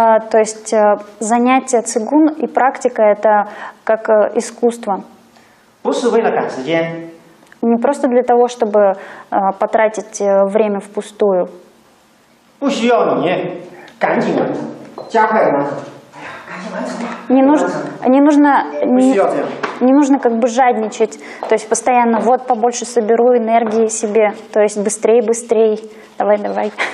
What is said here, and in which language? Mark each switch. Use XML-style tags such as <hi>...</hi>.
<ru>То есть занятие цигун и практика – это как искусство.</ru> <zh>不是为了赶时间。</zh> <ru>Не просто для того, чтобы потратить время впустую.</ru> <zh>不需要你赶紧完成，加快完成。你赶紧完成吧。不需要这样。</zh> <ru>Как бы жадничать, то есть постоянно вот побольше соберу энергии себе, то есть быстрее, быстрее, давай, давай.</ru>